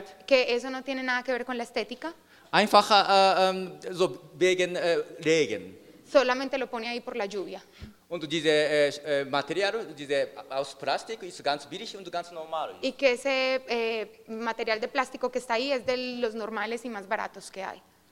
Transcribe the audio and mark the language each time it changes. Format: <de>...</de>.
<es>Que eso no tiene nada que ver con la estética.</es> <de>Einfach so wegen Regen.</de> <es>Solamente lo pone ahí por la lluvia.</es> <de>Und diese Material, diese aus Plastik, ist ganz billig und ganz normal.</de> <es>Y que ese material de plástico que está ahí es de los normales y más baratos que hay.</es>